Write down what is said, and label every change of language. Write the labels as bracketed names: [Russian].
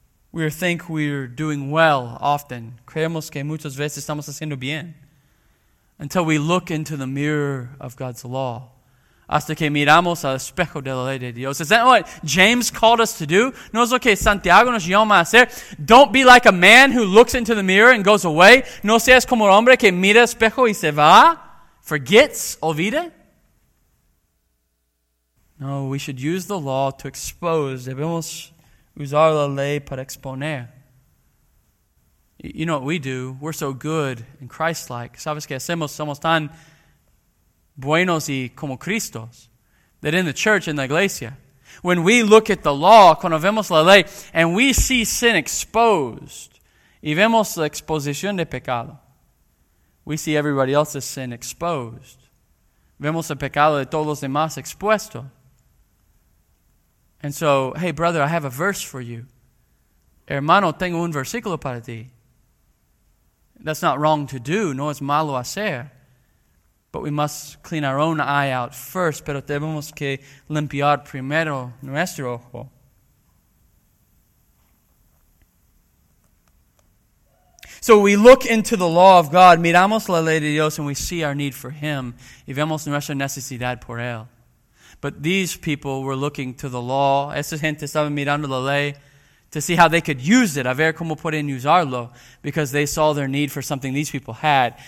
[English] We think we're doing well often. [Spanish] Creemos que muchas veces estamos haciendo bien. [English] Until we look into the mirror of God's law. [Spanish] Hasta que miramos al espejo de la ley de Dios. [English] Is that what James called us to do? [Spanish] No es lo que Santiago nos llama a hacer. [English] Don't be like a man who looks into the mirror and goes away. [Spanish] No seas como el hombre que mira el espejo y se va. [English] Forgets, olvida. No, we should use the law to expose. [Spanish] Debemos usar la ley para exponer. [English] You know what we do? We're so good and Christ-like. [Spanish] ¿Sabes qué hacemos? Somos tan buenos y como Cristos. [English] That in the church, in the iglesia, when we look at the law, [Spanish] cuando vemos la ley, [English] and we see sin exposed, [Spanish] y vemos la exposición de pecado, [English] we see everybody else's sin exposed. [Spanish] Vemos el pecado de todos los demás expuesto. [English] And so, hey, brother, I have a verse for you. [Spanish] Hermano, tengo un versículo para ti. [English] That's not wrong to do, [Spanish] no es malo hacer. [English] But we must clean our own eye out first, [Spanish] pero tenemos que limpiar primero nuestro ojo. [English] So we look into the law of God, [Spanish] miramos la ley de Dios, [English] and we see our need for Him. [Spanish] Y vemos nuestra necesidad por Él. [English] But these people were looking to the law. [Spanish] Esa gente estaba mirando la ley [English] to see how they could use it. [Spanish] A ver cómo pueden usarlo. [English] Because they saw their need for something these people had.